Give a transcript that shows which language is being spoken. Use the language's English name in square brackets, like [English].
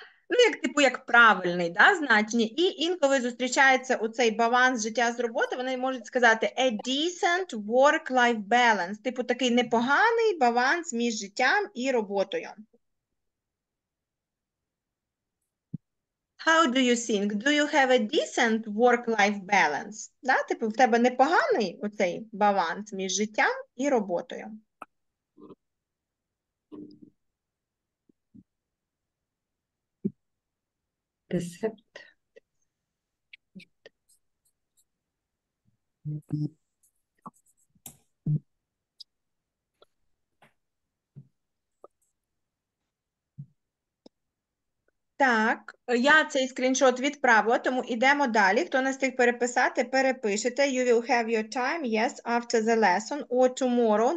[Ukrainian] Ну, як типу, як правильний, да, значення. І інколи зустрічається оцей баланс життя з роботи, вони можуть сказати [English] a decent work-life balance. [Ukrainian] Типу, такий непоганий баланс між життям і роботою. [English] How do you think? Do you have a decent work-life balance? [Ukrainian] Да? Типу, в тебе непоганий оцей баланс між життям і роботою? [English] Десепт. [Ukrainian] Так, я цей скріншот відправила, тому йдемо далі. Хто не встиг переписати, перепишете. [English] You will have your time, yes, after the lesson or tomorrow.